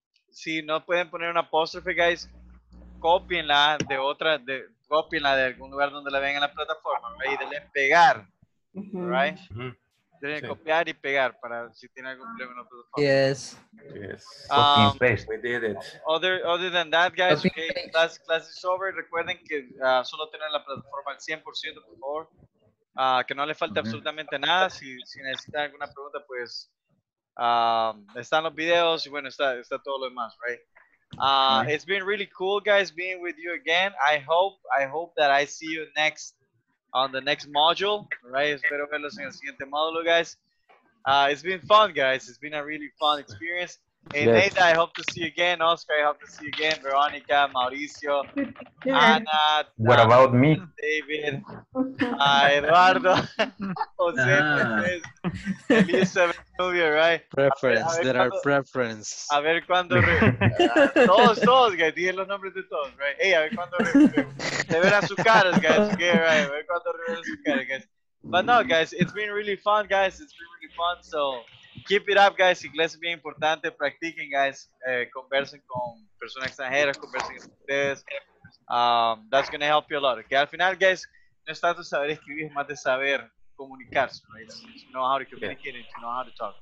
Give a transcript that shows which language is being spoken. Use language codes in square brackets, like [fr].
[es] Si no pueden poner un apóstrofe, guys, cópienla de otra... Copienla de algún lugar donde la vean en la plataforma, ¿verdad? Y denle pegar, uh-huh. Right? Uh-huh. Denle sí. Copiar y pegar para si tiene algún problema en la plataforma. [en] Yes. Yes. We did it. Other than that, guys, okay, class is over. [es] Recuerden que solo tienen la plataforma al 100%, por favor. Que no le falte absolutamente nada. Si necesitan alguna pregunta, pues están los videos y bueno, está todo lo demás, right? [en] It's been really cool, guys, being with you again. I hope that I see you next on the next module, right? [es] Espero verlos en el siguiente módulo, [en] guys. It's been fun, guys. It's been a really fun experience. Hey, yes. Neida, I hope to see you again. Oscar, I hope to see you again. Veronica, Mauricio, Ana. What about me? David, Eduardo, Jose, Elizabeth, Julio, right? Preference, there are preferences. [es] A ver cuando. Todos, guys, dije los nombres de todos, right? Hey, a ver cuando. Se verán sus caras, guys, okay, right? A ver cuando reveren sus caras, guys. [en] But no, guys, it's been really fun, guys. It's been really fun, so. Keep it up, guys. [es] Inglés es bien importante. Practiquen, [en] guys. [es] Conversen con personas extranjeras. Conversen con ustedes. [en] That's going to help you a lot. [es] Okay? Al final, guys, no es tanto saber escribir, más de saber comunicarse. [en] Right? It's to know how to communicate and to know how to talk.